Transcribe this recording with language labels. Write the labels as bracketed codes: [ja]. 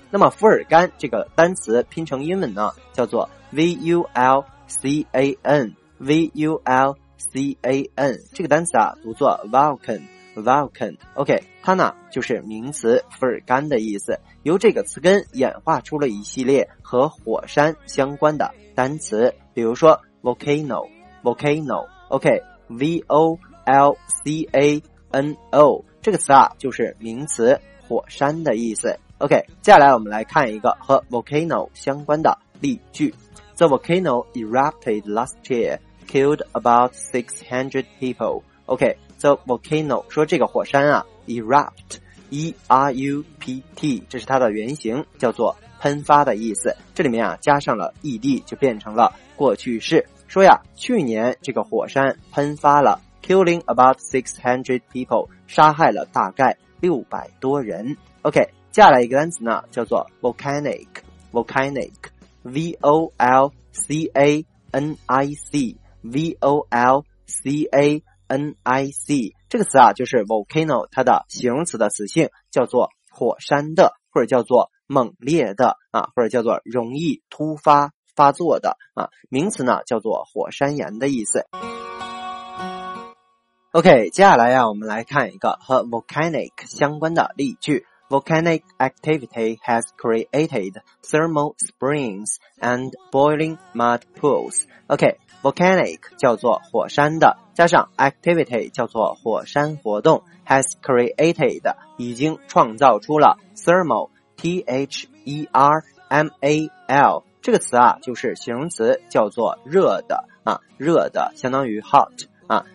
[zh] 那么福尔甘这个单词拼成英文呢叫做 VULCAN VULCAN， 这个单词啊读作 Vulcan OK， 它呢就是名词福尔甘的意思，由这个词根演化出了一系列和火山相关的单词，比如说 Volcano OK， VOLCANO 这个词啊就是名词火山的意思。 OK， 接下来我们来看一个和 Volcano 相关的例句。 [en] The volcano erupted last year killed about 600 people. [zh] OK, [en] the volcano [zh] 说这个火山啊 erupt, E-R-U-P-T, 这是它的原型叫做喷发的意思。这里面啊加上了 ED 就变成了过去式。说呀去年这个火山喷发了 [en] killing about 600 people, [zh] 杀害了大概600多人。 OK, 接下来一个单词呢叫做 volcanic,V-O-L-C-A-N-I-C,V-O-L-C-A-N-I-C 这个词啊就是 volcano 它的形容词的词性，叫做火山的，或者叫做猛烈的啊，或者叫做容易突发发作的啊。名词呢叫做火山岩的意思。 OK， 接下来啊我们来看一个和 volcanic 相关的例句。 [en] Volcanic activity has created thermal springs and boiling mud pools. [zh] OKVolcanic 叫做火山的，加上 activity 叫做火山活动， [en] has created [zh] 已经创造出了 thermal T-H-E-R-M-A-L 这个词啊就是形容词叫做热的啊，热的相当于 hot 啊。